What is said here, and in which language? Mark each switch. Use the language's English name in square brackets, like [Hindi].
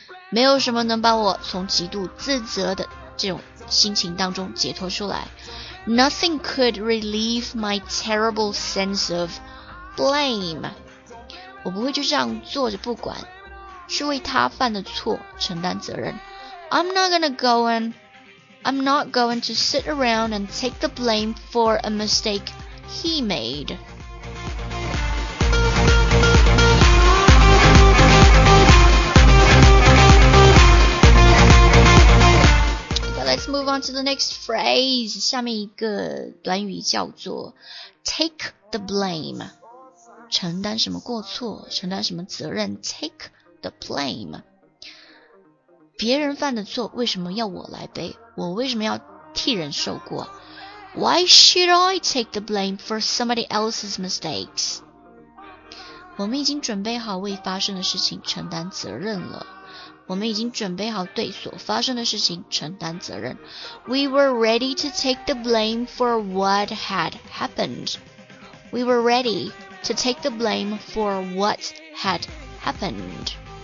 [Chinese] 没有什么能把我从极度自责的这种心情当中解脱出来。 [English] Nothing could relieve my terrible sense of blame。 [Chinese] 我不会就这样坐着不管，是为他犯的错承担责任。 [English] I'm not going to sit around and take the blame for a mistake he made。 Move on to the next phrase. [Chinese] 下面一个短语叫做 take the blame， 承担什么过错，承担什么责任。 take the blame， 别人犯的错为什么要我来背？我为什么要替人受过？ [English] Why should I take the blame for somebody else's mistakes？ [Chinese] 我们已经准备好为发生的事情承担责任了。我们已经准备好对所发生的事情承担责任。 [English] We were ready to take the blame for what had happened. We were ready to take the blame for what had happened.